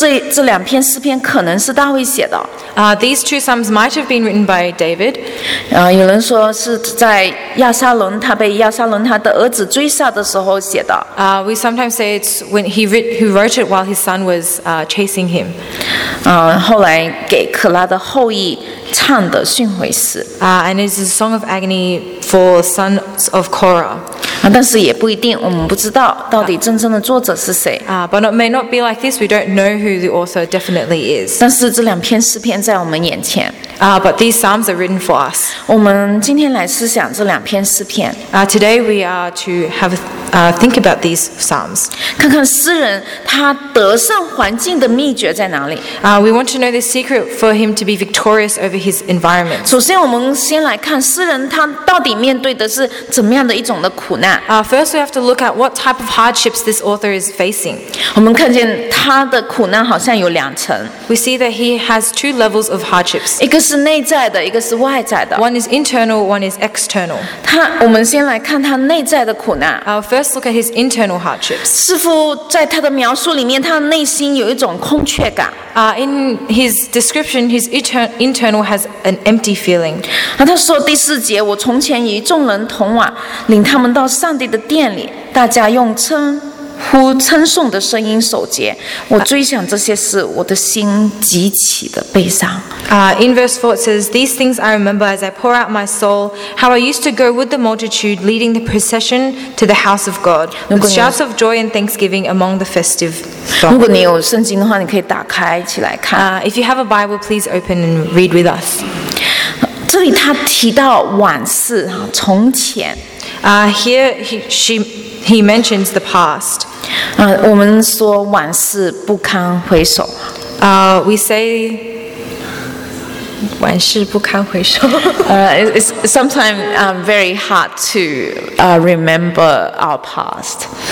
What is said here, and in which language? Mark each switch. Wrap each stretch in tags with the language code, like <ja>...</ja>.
<zh>这两篇诗篇可能是大卫写的。</zh> <en>These two psalms might have been written by David.</en> <zh>有人说是在亚沙龙，他被亚沙龙他的儿子追杀的时候写的。</zh> <en>We sometimes say it's when he wrote it while his son was chasing him.</en> <zh>后来给可拉的后裔唱的殉悔诗。</zh> <en>And it's a song of agony for sons of Korah.</en> <zh>但是也不一定，我们不知道到底真正的作者是谁。</zh> <en>But it may not be like this. We don't know who the author definitely is.</en> <zh>但是这两篇诗篇在我们眼前。</zh> <en>But these psalms are written for us.</en> <zh>我们今天来思想这两篇诗篇。</zh> <en>Today we are to have think about these psalms.</en> <zh>看看诗人他得胜环境的秘诀在哪里。</zh> <en>We want to know the secret for him to be victorious over his environment.</en> <zh>首先，我们先来看诗人他到底面对的是怎么样的一种的苦难。</zh> <en>First, we have to look at what type of hardships this author is facing.</en> <zh>我们看见他的苦难好像有两层。</zh> <en>We see that he has two levels of hardships.</en> <zh>一个是内在的，一个是外在的。</zh> <en>One is internal, one is external.</en> <zh>我们先来看他内在的苦难。</zh> <en>First, look at his internal hardships.</en> <zh>似乎在他的描述里面，他内心有一种空缺感。</zh> <en>In his description, his internal has an empty feeling.</en> <zh>他说第四节，我从前与众人同往，领他们到上帝的殿里，大家用称呼称颂的声音守节。我追想这些事，我的心极其的悲伤。</zh> <en>In verse 4 it says, these things I remember as I pour out my soul, how I used to go with the multitude leading the procession to the house of God, with shouts of joy and thanksgiving among the festive songs.</en> <zh>如果你有圣经的话，你可以打开起来看。</zh> <en>If you have a Bible, please open and read with us.</en> <zh>这里他提到往事，从前。</zh> <en>Here he mentions the past.</en> <zh>我们说往事不堪回首。</zh> <en>We say</en> <zh>往事不堪回首。</zh> <en>It's sometimes very hard to remember our past.</en>